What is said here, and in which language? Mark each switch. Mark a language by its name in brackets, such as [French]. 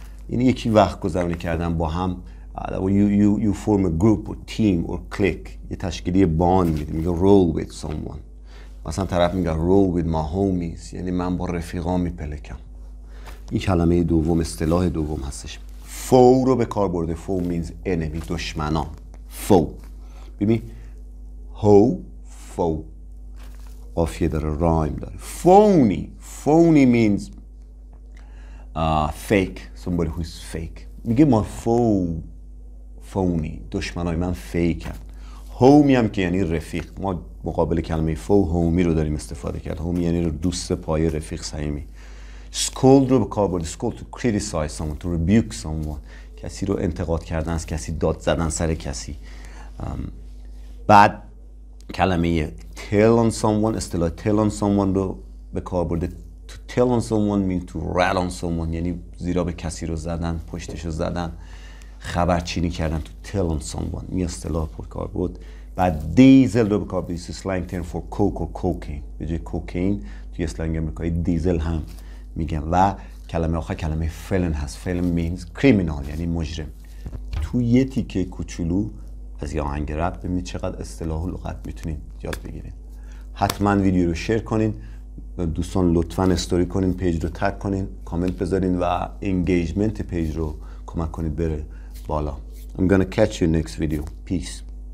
[Persian] این یکی وقت گذرونی کردن با هم. [English] You form a group or team or clique. [Persian] یه تشکیلی باند میده. [English] میگه roll with someone. [Persian] مثلا طرف میگه [English] roll with my homies. [Persian] یعنی من با رفیقا میپلکم. این کلمه دوم، اصطلاح دوم هستش. Foe رو به کار برده. [English] Foe means enemy. دشمنان. Foe. ببین. Hoe. Foe. [Persian] قافیه داره. [English] Rhyme داره. Phony. Phony means fake. Somebody who is fake. [Persian] میگه ما phony. دشمنای من fake هم. Homey هم که یعنی رفیق. ما مقابل کلمه foe homey رو داریم استفاده کرد. Homey یعنی دوست پای رفیق صمیمی. Scold رو به کار برده. [English] Scold to criticize someone. To rebuke someone. [Persian] کسی رو انتقاد کردن از کسی. داد زدن سر کسی. بعد کلمه tell on someone. اصطلاح tell on someone رو به کار برده. [English] Tell on someone means to rat on someone. [Persian] یعنی زیرا به کسی رو زدن، پشتش رو زدن، خبرچینی کردن. [English] To tell on someone. [Persian] این اصطلاح پرکار بود. بعد دیزل رو بکار بود. [English] This is slang term for coke or cocaine. [Persian] به جای cocaine توی اسلنگ امریکایی دیزل هم میگن. و کلمه آخر کلمه felon هست. [English] Felon means criminal. [Persian] یعنی مجرم. تو یه تیکه کوچولو از یه آهنگ رپ ببینید چقدر اصطلاح و لغت میتونید یاد بگیرید. حتما ویدیو رو شیر کنین. دوستان لطفاً استوری کنین، پیج رو تگ کنین، کامنت بذارین و انگیجمنت پیج رو کمک کنید بره بالا. [English] I'm gonna catch you next video. Peace.